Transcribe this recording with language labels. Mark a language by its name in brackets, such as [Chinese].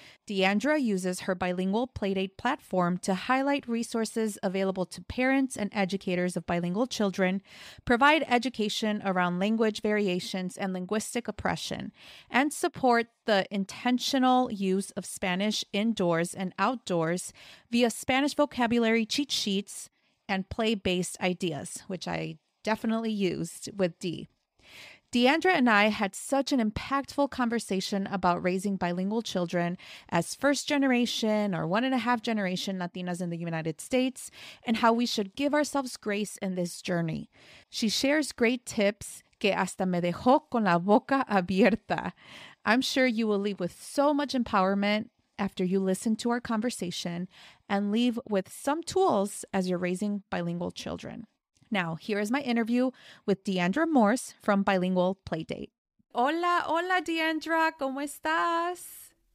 [English] Diandra uses her Bilingual Playdate platform to highlight resources available to parents and educators of bilingual children, provide education around language variations and linguistic oppression, and support the intentional use of Spanish indoors and outdoors via Spanish vocabulary cheat sheets and play-based ideas, which I definitely used with Dee. Diandra and I had such an impactful conversation about raising bilingual children as first generation or one and a half generation Latinas in the United States and how we should give ourselves grace in this journey. She shares great tips [Spanish] que hasta me dejó con la boca abierta. [English] I'm sure you will leave with so much empowerment after you listen to our conversation and leave with some tools as you're raising bilingual children. Now, here is my interview with Diandra Morse from Bilingual Playdate. [Spanish] Hola, hola, Diandra. ¿Cómo estás?